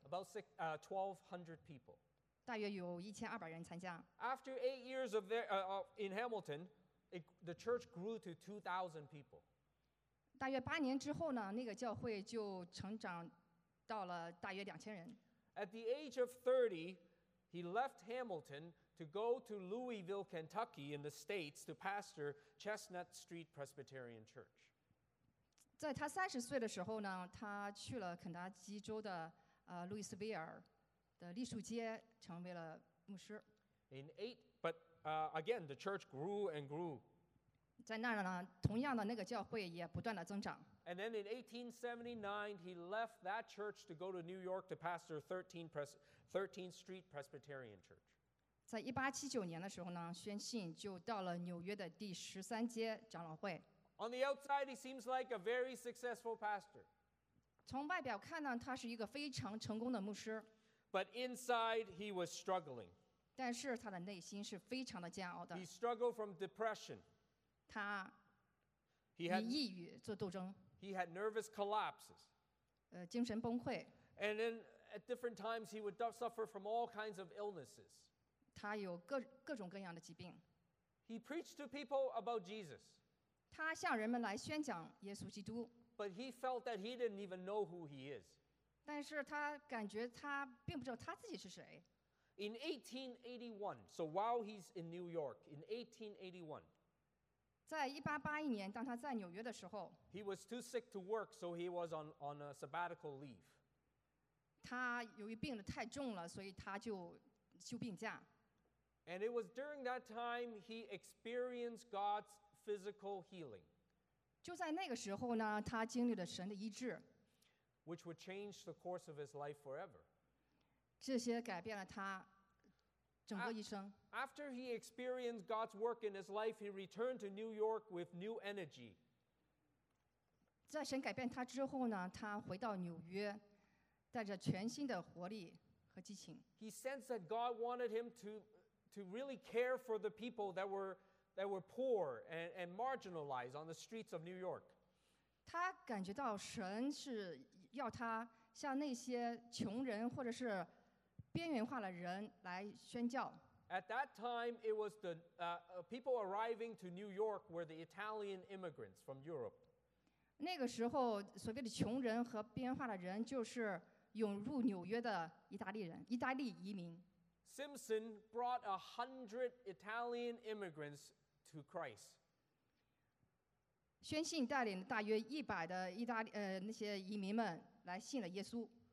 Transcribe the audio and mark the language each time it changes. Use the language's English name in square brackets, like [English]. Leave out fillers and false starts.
[English] About 1,200 people. [Chinese] 大约有1,200人参加。 [English] After 8 years of there in Hamilton, the church grew to 2,000 people. [Chinese] 大约八年之后呢，那个教会就成长到了大约2,000人。 [English] At the age of 30, he left Hamilton to go to Louisville, Kentucky, in the States, to pastor Chestnut Street Presbyterian Church. [Chinese] 在他三十岁的时候呢，他去了肯塔基州的路易斯维尔的栗树街，成为了牧师。 [English] But again, the church grew and grew. [Chinese] 在那儿呢，同样的那个教会也不断的增长。 [English] And then in 1879, he left that church to go to New York to pastor 13th Street Presbyterian Church. [Chinese] 在1879年的时候呢，宣信就到了纽约的第十三街长老会。 [English] On the outside, he seems like a very successful pastor. [Chinese] 从外表看呢，他是一个非常成功的牧师。 [English] But inside, he was struggling. [Chinese] 但是他的内心是非常的煎熬的。 [English] He struggled from depression. [Chinese] 他与抑郁做斗争。 [English] He had nervous collapses. [Chinese] 精神崩溃。 [English] And then at different times, he would suffer from all kinds of illnesses. [Chinese] 他有各种各样的疾病。 [English] He preached to people about Jesus. [Chinese] 他向人们来宣讲耶稣基督。 [English] But he felt that he didn't even know who he is. [Chinese] 但是他感觉他并不知道他自己是谁。 [English] In 1881, so while he's in New York, in 1881, [Chinese] 在1881年，当他在纽约的时候， [English] he was too sick to work, so he was on a sabbatical leave. [Chinese] 他由于病得太重了，所以他就休病假。 [English] And it was during that time he experienced God'sphysical healing. [Chinese] 就在那个时候呢，他经历了神的医治， [English] which would change the course of his life forever. [Chinese] 这些改变了他整个一生。 [English] After he experienced God's work in his life, he returned to New York with new energy. [Chinese] 在神改变他之后呢，他回到纽约，带着全新的活力和激情。 [English] He sensed that God wanted him to really care for the people that were poor and marginalized on the streets of New York. [Chinese] 他感觉到神是要他向那些穷人或者是边缘化的人来宣教。 [English] At that time, it was the people arriving to New York were the Italian immigrants from Europe. [Chinese] 那个时候所谓的穷人和边缘化的人就是涌入纽约的意大利人，意大利移民。 [English] Simpson brought 100 Italian immigrants to Christ. [Chinese] 宣信带领大约100的意大利那些移民们来信了耶稣。